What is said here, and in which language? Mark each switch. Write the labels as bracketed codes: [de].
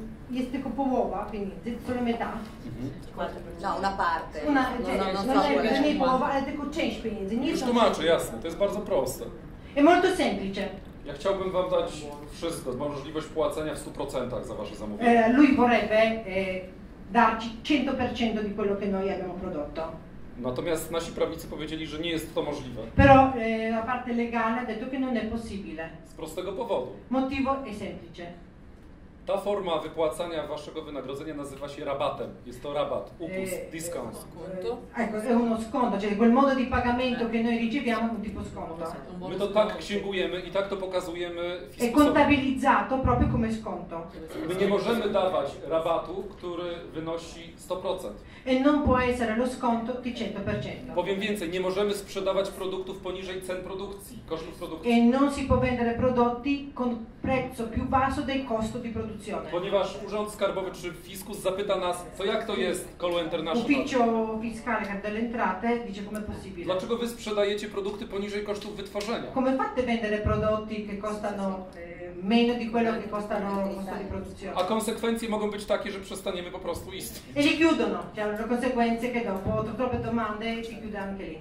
[pl] Jest tylko połowa pieniędzy, które [it] metà. No, una parte. [pl] Nie połowa, ale tylko część pieniędzy. Nie. Już tłumaczę, jasne, to jest bardzo proste. [it] E molto semplice. [pl] Ja chciałbym wam dać wszystko, możliwość płacenia w 100% za wasze zamówienie. [it] Lui vorrebbe darci 100% di quello che noi abbiamo prodotto. [pl] Natomiast nasi prawnicy powiedzieli, że nie jest to możliwe. [it] Però la parte legale ha detto che non è possibile. [pl] Z prostego powodu. [it] Motivo è semplice. [pl] Ta forma wypłacania waszego wynagrodzenia nazywa się rabatem. Jest to rabat, upust, discount. [it] Ecco, è uno sconto, cioè quel modo di pagamento che noi riceviamo è un tipo sconto. [pl] My to tak księgujemy i tak to pokazujemy fiscusowi. [it] È contabilizzato proprio come sconto. [pl] My nie możemy dawać rabatu, który wynosi 100%. [it] E non può essere lo sconto di 100%. [pl] Powiem więcej, nie możemy sprzedawać produktów poniżej cen produkcji, kosztów produkcji. [it] E non si può vendere prodotti con prezzo più basso del costo di produzione. [pl] Ponieważ Urząd Skarbowy czy Fiskus zapyta nas, co jak to jest, Colo International. [it] Ufficio fiscale delle entrate dice come è possibile. [pl] Dlaczego wy sprzedajecie produkty poniżej kosztów wytworzenia? [it] Come fate vendere prodotti che costano meno di quello che costano costo di produzione. [pl] A konsekwencje mogą być takie, że przestaniemy po prostu istnieć. [it] E li chiudono, c'erano conseguenze che dopo ho troppe domande e ci chiude anche lì.